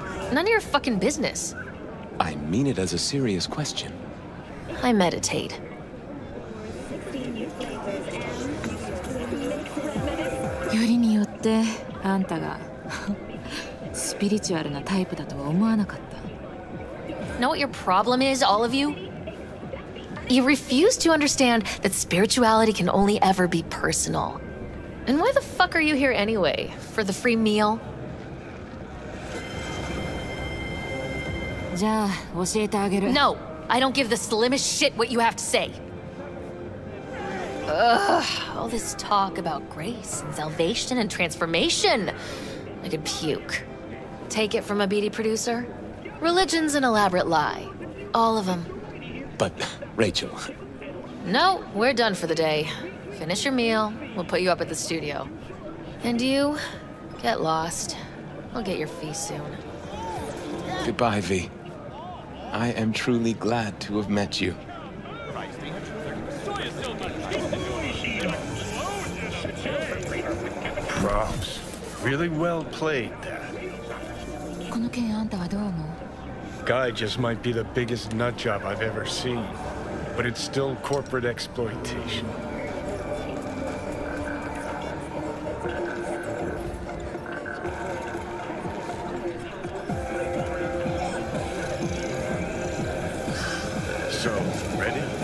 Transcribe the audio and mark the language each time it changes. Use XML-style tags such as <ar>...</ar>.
<en>None of your fucking business. I mean it as a serious question. I meditate.</en> <ja>よりによってあんたがスピリチュアルなタイプだとは思わなかった。</ja> <en>Know what your problem is, all of you? You refuse to understand that spirituality can only ever be personal. And why the fuck are you here anyway? For the free meal?</en> <ja>じゃあ教えてあげる。</ja> <en>No! I don't give the slimmest shit what you have to say! Ugh, all this talk about grace and salvation and transformation. I could puke. Take it from a BD producer. Religion's an elaborate lie. All of them. But, Rachel... No, we're done for the day. Finish your meal. We'll put you up at the studio. And you, get lost. We'll get your fee soon. Goodbye, V. I am truly glad to have met you. Props. Really well played, Dad.</en> <ja>この件あんたはどう思う?</ja> <en>Guy just might be the biggest nut job I've ever seen, but it's still corporate exploitation. So, ready?</en>